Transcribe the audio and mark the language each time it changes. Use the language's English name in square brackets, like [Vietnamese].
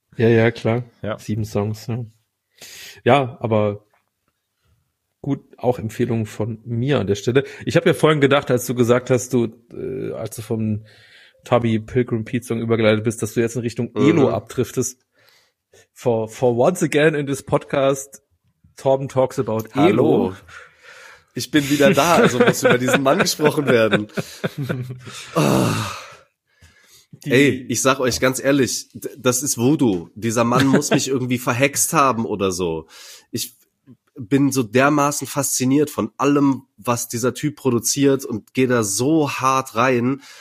[German] Ja, klar. Ja. 7 Songs, ja. Ja, aber gut, auch Empfehlungen von mir an der Stelle. Ich habe ja vorhin gedacht, als du gesagt hast, als du vom Tabby Pilgrim Pete Song übergeleitet bist, dass du jetzt in Richtung Elo abdriftest. [English] For once again in this podcast, Torben talks about Elo. [German] Hallo. Ich bin wieder da, also muss über diesen Mann gesprochen werden. Oh. Ey, ich sag euch ganz ehrlich, das ist Voodoo. Dieser Mann muss mich irgendwie verhext haben oder so. Ich bin so dermaßen fasziniert von allem, was dieser Typ produziert und gehe da so hart rein.